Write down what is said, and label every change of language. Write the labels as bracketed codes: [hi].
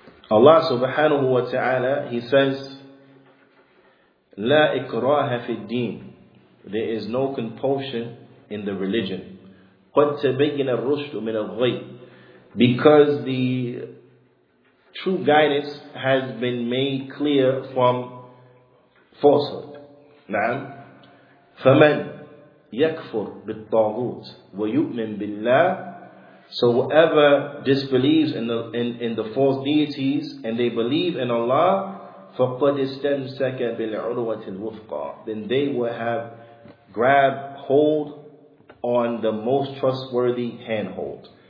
[en] Allah subhanahu wa ta'ala, He says, [ar] لا إكراه في الدين. [en] There is no compulsion in the religion. [ar] قد تبين الرشد من الغي. [en] Because the true guidance has been made clear from falsehood. [ar] نعم. فمن يكفر بالطاغوت ويؤمن بالله. [en] So whoever disbelieves in the false deities and they believe in Allah, [ar] فَقَدْ اِسْتَمْسَكَ بِالْعُرْوَةِ الْوُفْقَى, [en] then they will have grabbed hold on the most trustworthy handhold.